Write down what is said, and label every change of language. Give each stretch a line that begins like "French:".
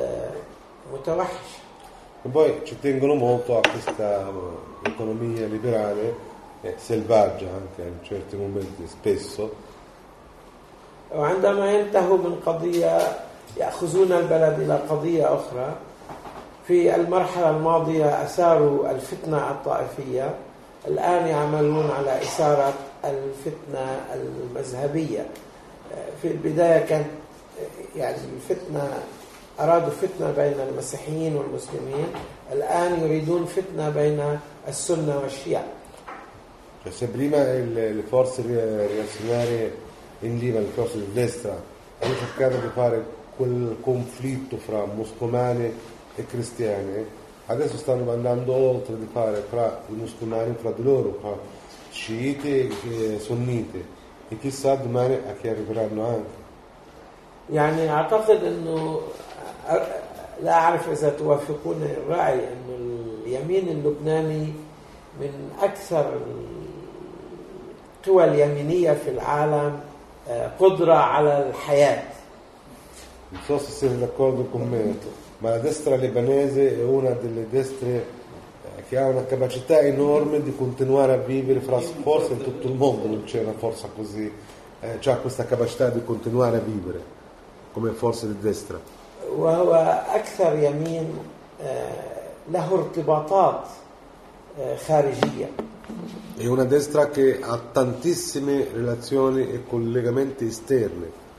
Italian: E poi ci tengono molto a questa economia liberale selvaggia anche in certi momenti spesso.
Arabic: وعندما ينتهوا من قضية يأخذون البلد إلى قضية أخرى. في المرحلة الماضية أثاروا الفتنة الطائفية. الآن يعملون على إثارة الفتنة المذهبية. في البداية كانت يعني الفتنة أرادوا فتنة بين المسيحيين والمسلمين. الآن يريدون فتنة بين السنة والشيعة.
Italian: Se prima le forze reazionarie in Libano, le forze di destra, hanno cercato di fare quel conflitto fra musulmani e cristiani, adesso stanno andando oltre di fare fra i musulmani fra di loro, fra sciiti e sunniti. E chissà domani a chi arriveranno anche.
Arabic: يعني أعتقد إنه لا أعرف إذا توافقون الرأي أن اليمين اللبناني من أكثر القوى اليمينية في العالم قدرة على الحياة.
Italian: Non so se siete d'accordo con me, ma la destra libanese è una delle destre che ha una capacità enorme di continuare a vivere fra forze in tutto il mondo. Non c'è una forza così, cioè questa capacità di continuare a vivere come forza di destra.
Arabic: وهو أكثر يمين له ارتباطات خارجية.
Italian: È una destra che ha tantissime relazioni e collegamenti esterni.